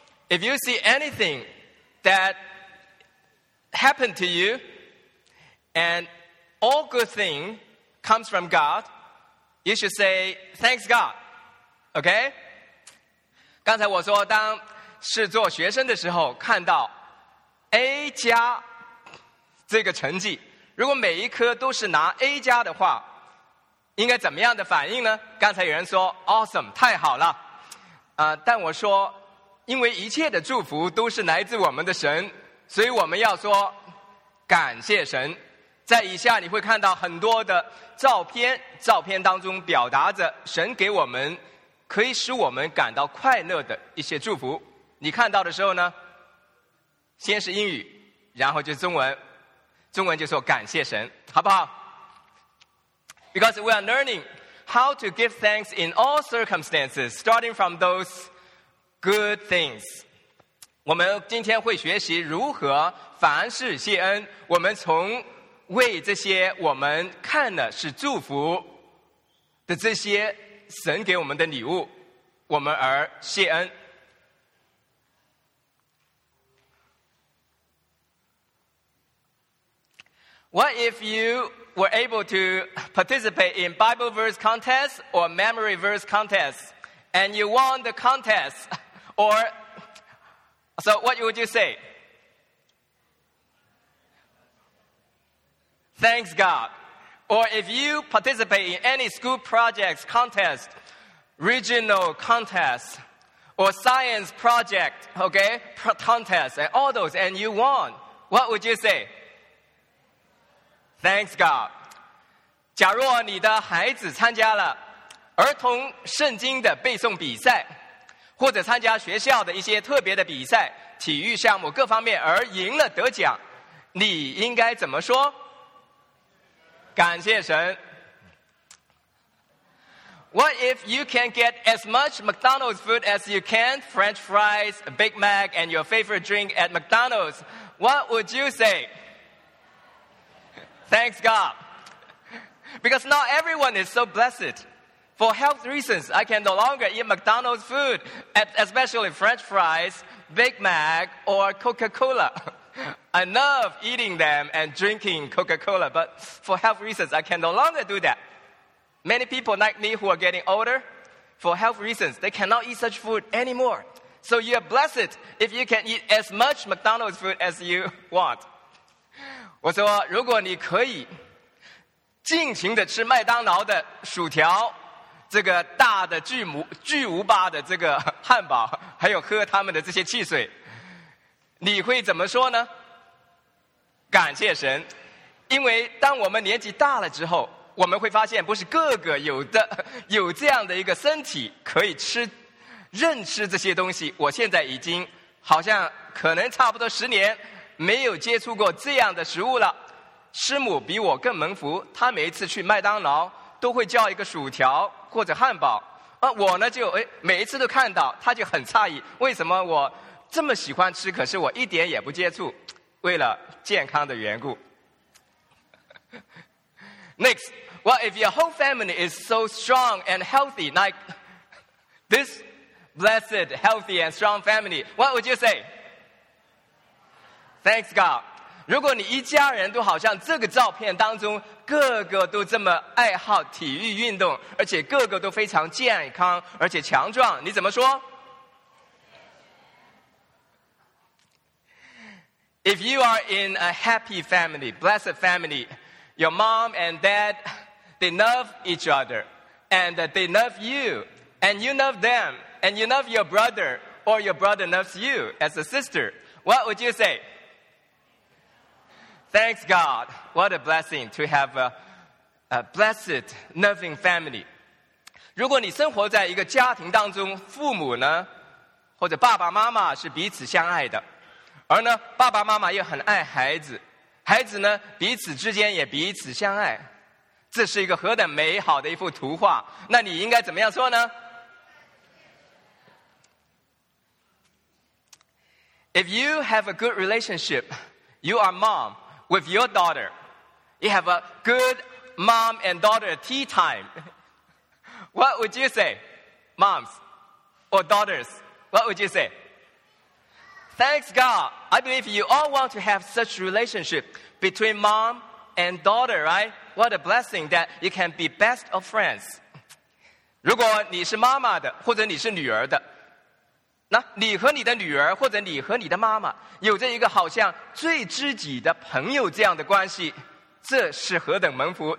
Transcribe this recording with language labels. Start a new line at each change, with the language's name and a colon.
English: If you see anything that happened to you, and all good thing comes from God, you should say, thanks God. Okay?
Chinese: 刚才我说，当是做学生的时候，看到 A 加这个成绩，如果每一科都是拿 A 加的话，应该怎么样的反应呢？刚才有人说 awesome， 太好了，但我说，因为一切的祝福都是来自我们的神，所以我们要说感谢神。在以下你会看到很多的照片，照片当中表达着神给我们可以使我们感到快乐的一些祝福。你看到的时候呢，先是英语，然后就是中文，中文就说感谢神，好不好？
English: Because we are learning how to give thanks in all circumstances, starting from those good things.
Chinese: 我们今天会学习如何凡事谢恩，我们从为这些我们看的是祝福的这些神给我们的礼物，我们而谢恩。
English: What if you were able to participate in Bible verse contest or memory verse contest and you won the contest? Or, so what would you say? Thanks God. Or if you participate in any school projects contest, regional contest, or science project, okay, contest, and all those, and you won, what would you say? Thanks God.
Chinese: 假若你的孩子参加了儿童圣经的背诵比赛，或者参加学校的一些特别的比赛、体育项目各方面而赢了得奖，你应该怎么说？感谢神。
English: What if you can get as much McDonald's food as you can? French fries, a Big Mac, and your favorite drink at McDonald's. What would you say? Thanks God. Because not everyone is so blessed. For health reasons, I can no longer eat McDonald's food, especially French fries, Big Mac, or Coca-Cola. I love eating them and drinking Coca-Cola, but for health reasons, I can no longer do that. Many people like me who are getting older, for health reasons, they cannot eat such food anymore. So you are blessed if you can eat as much McDonald's food as you want.
Chinese: 我说，如果你可以尽情的吃麦当劳的薯条，这个大的巨无霸的这个汉堡，还有喝他们的这些汽水，你会怎么说呢？感谢神。因为当我们年纪大了之后，我们会发现不是个个有这样的一个身体可以认识这些东西。我现在已经好像可能差不多十年没有接触过这样的食物了。师母比我更蒙福，她每一次去麦当劳都会叫一个薯条或者汉堡，我呢就每一次都看到，她就很诧异，为什么我这么喜欢吃，可是我一点也不接触，为了健康的缘故。
English: Next, well, if your whole family is so strong and healthy like this blessed, healthy and strong family, what would you say? Thanks God.
Chinese: 如果你一家人都好像这个照片当中个个都这么爱好体育运动，而且个个都非常健康而且强壮，你怎么说？
English: If you are in a happy family, blessed family, your mom and dad, they love each other and they love you and you love them and you love your brother or your brother loves you as a sister, what would you say? Thanks God. What a blessing to have a blessed, loving family.
Chinese: 如果你生活在一个家庭当中，父母呢，或者爸爸妈妈是彼此相爱的，而呢，爸爸妈妈又很爱孩子，孩子呢，彼此之间也彼此相爱，这是一个何等美好的一幅图画，那你应该怎么样说呢？
English: If you have a good relationship, you are mom. With your daughter, you have a good mom and daughter tea time. What would you say, moms or daughters? What would you say? Thanks God. I believe you all want to have such relationship between mom and daughter, right? What a blessing that you can be best of friends.
Chinese: 如果你是妈妈的或者你是女儿的, 那你和你的女儿或者你和你的妈妈有着一个好像最知己的朋友这样的关系, 这是何等蒙福?